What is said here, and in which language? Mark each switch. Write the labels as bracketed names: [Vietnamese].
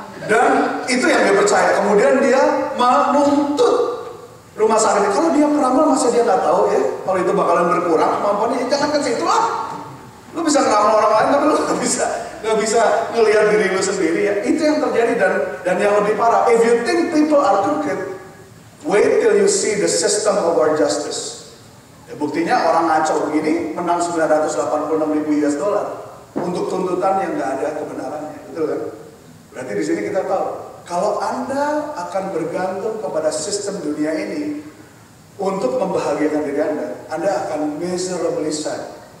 [Indonesian] Dan itu yang dia percaya. Kemudian dia menuntut rumah sakit. Kalau dia peramal masa dia gak tahu ya, kalau itu bakalan berkurang kemampuannya, ya jangan ke situ lah. Lu bisa ngeramal orang lain tapi lu gak bisa ngelihat diri lu sendiri ya. Itu yang terjadi dan yang lebih parah. [English] If you think people are crooked, wait till you see the system of our justice. [Indonesian] Ya, buktinya orang ngaco begini menang 986.000 US dollar untuk tuntutan yang gak ada kebenarannya. Betul kan? Berarti di sini kita tahu, kalau Anda akan bergantung kepada sistem dunia ini untuk membahagiakan diri Anda, Anda akan [English] miserably sad.